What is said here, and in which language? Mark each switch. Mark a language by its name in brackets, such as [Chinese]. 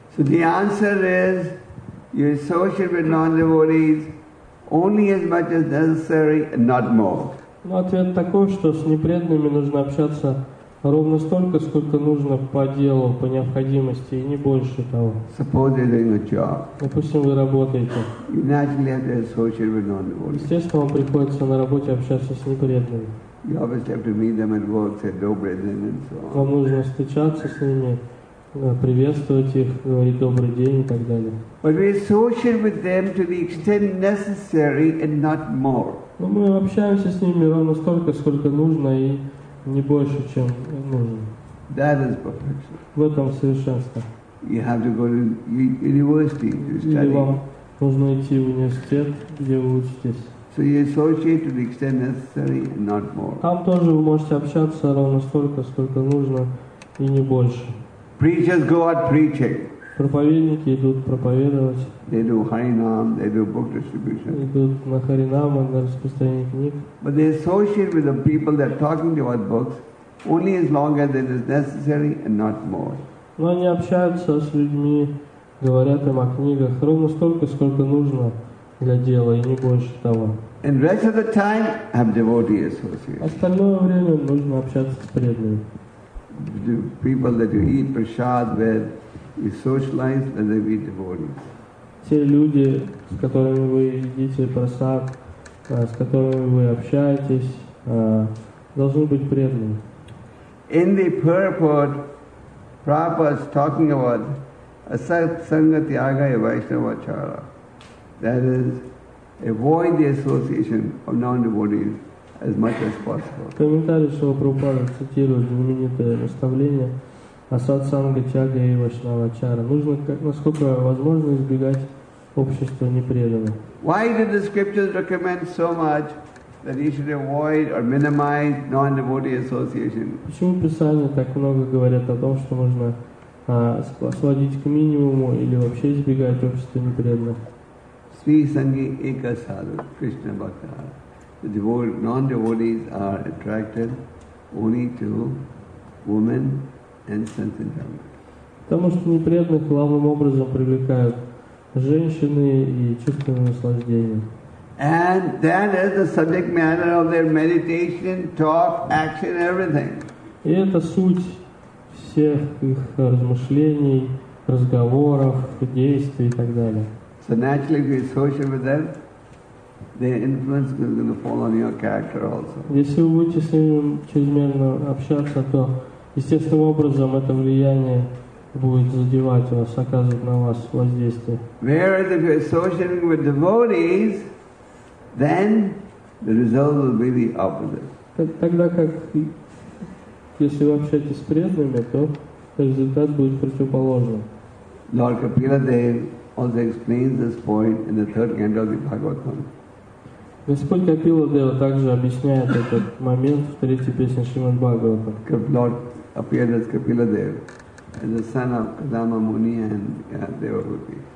[English] So the answer is you associate with non-devotees only as much as necessary and not more. [Russian] Ну, ответ такой, что с непреданными нужно общаться ровно столько, сколько нужно по делу, по необходимости, и не больше того. [English] Suppose you're doing a job. [Russian] Допустим, вы работаете. [English] You naturally have to associate with non-devotees. [Russian] Естественно, вам приходится на работе общаться с непреданными. [English] You obviously have to meet them at work, say, [Russian] добрый день, [English] and so on. [Russian] Вам нужно встречаться с ними, приветствовать их, говорить добрый день и так далее. [English] But we associate with them to the extent necessary and not more. [Russian] Но мы общаемся с ними ровно столько, сколько нужно, и не больше, чем нужно. [English] That is perfection. [Russian] В этом совершенство. [English] You have to go to university to study. [Russian] Или вам нужно идти в университет, где вы учитесь. [English] So you associate to the extent necessary and not more. [Russian] Там тоже вы можете общаться ровно столько, сколько нужно, и не больше. [English] Preachers go out preaching. [Russian] Проповедники идут проповедовать. [English] They do Харинам, they do book distribution. [Russian] Идут на Харинама, на распространение книг. [English] But they associate with the people that are talking about books only as long as it is necessary and not more. [Russian] Но они общаются с людьми, говорят им о книгах ровно столько, сколько нужно для дела, и не больше того. [English] And rest of the time have devotee associates. [Russian] Остальное время нужно общаться с преданными. [English] The people that you eat prasad with, you socialize and they be devotees. [Russian] Те люди, с которыми вы едите просад, с которыми вы общаетесь, должны быть преданными. [English] In the purport, Prabhupada is talking about asat sangha tyagaya vaishnava chara. That is, avoid the association of non-devotees as much as possible. [Russian] В комментарии Шрила Прабхупада цитирует знаменитое наставление Асад санга тяга и вашнава чара. Нужно, как, насколько возможно, избегать общества непреданных. [English] Why did the scriptures recommend so much that you should avoid or minimize non-devotee association? [Russian] Почему Писание так много говорит о том, что нужно сводить к минимуму или вообще избегать общества непреданных? [Sanskrit] Sri Sangi Eka Sadhu, Krishna Bhakta. [English] The non-devotees are attracted only to women and sense enjoyment. [Russian] Потому что непреданных главным образом привлекают женщины и чувственные наслаждения. [English] And that is the subject matter of their meditation, talk, action, everything. [Russian] И это суть всех их размышлений, разговоров, действий и так далее. [English] So naturally, if you associate with them, their influence is going to fall on your character also. [Russian] Если вы будете с ними чрезмерно общаться, то естественным образом это влияние будет задевать вас, оказывать на вас воздействие. [English] Whereas if you're associating with devotees, then the result will be the opposite. [Russian] Тогда как если вы общаетесь с преданными, то результат будет противоположным. [English] Lord Kapila Dev also explains this point in the third canto of the Bhagavatam. [Russian] Господь Капила Дева также объясняет этот момент в третьей песне Шримад Бхагаватам. [English] Lord appeared as Kapila Dev, as the son of Kadama Muni and Devahuti.